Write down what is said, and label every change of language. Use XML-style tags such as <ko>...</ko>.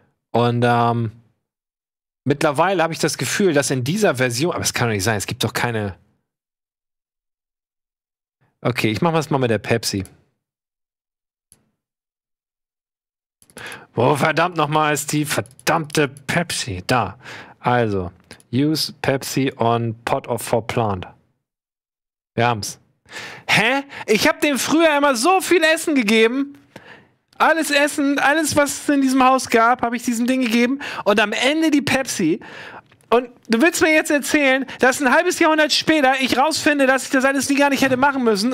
<de>Und mittlerweile habe ich das Gefühl, dass in dieser Version, aber es kann doch nicht sein, es gibt doch keine. Okay, ich mache das mal mit der Pepsi. Wo verdammt nochmal ist die verdammte Pepsi? Da. Also,</de> <en>use Pepsi on pot of for plant.</en> <de>Wir haben's. Hä? Ich habe dem früher immer so viel Essen gegeben. Alles Essen, alles, was es in diesem Haus gab, habe ich diesem Ding gegeben. Und am Ende die Pepsi. Und du willst mir jetzt erzählen, dass ein halbes Jahrhundert später ich rausfinde, dass ich das alles nie gar nicht hätte machen müssen.</de>